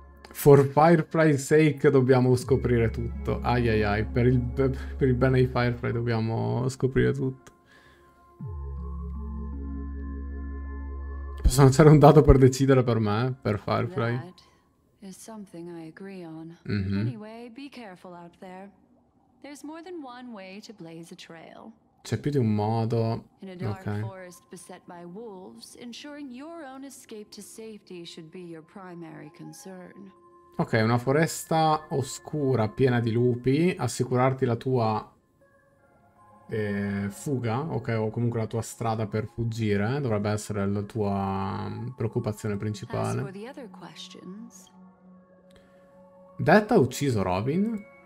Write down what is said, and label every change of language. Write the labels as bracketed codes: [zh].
[en] For Firefly's sake [it] dobbiamo scoprire tutto. Ai ai ai, per il bene di Firefly dobbiamo scoprire tutto. Possono essere un dato per decidere per me, per Firefly. [en] There's more than one way to blaze a trail. [it] C'è più di un modo. [en] In a dark forest beset by wolves, ensuring your own escape to safety should be your primary concern. [it] Ok, una foresta oscura piena di lupi, assicurarti la tua fuga, ok, o comunque la tua strada per fuggire, dovrebbe essere la tua preoccupazione principale. [en] As for the other questions. Death [it] ha ucciso Robin?